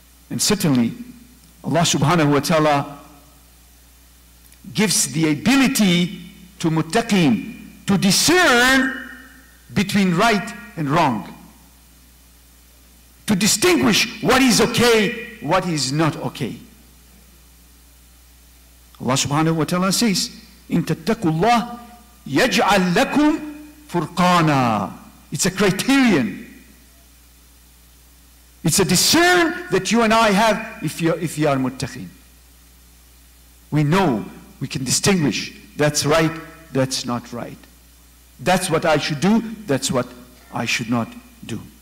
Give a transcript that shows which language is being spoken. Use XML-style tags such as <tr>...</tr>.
<en>And certainly, Allah subhanahu wa ta'ala gives the ability to Muttaqin to discern between right and wrong, to distinguish what is okay, what is not okay.</en> <ar>Allah subhanahu wa ta'ala</ar> <en>says,</en> <ar>إِن تَتَّقُوا اللَّهِ يَجْعَلْ لَكُمْ فُرْقَانًا.</ar> <en>It's a criterion. It's a discern that you and I have if you are muttaqin. We know, we can distinguish, that's right, that's not right. That's what I should do, that's what I should not do.</en>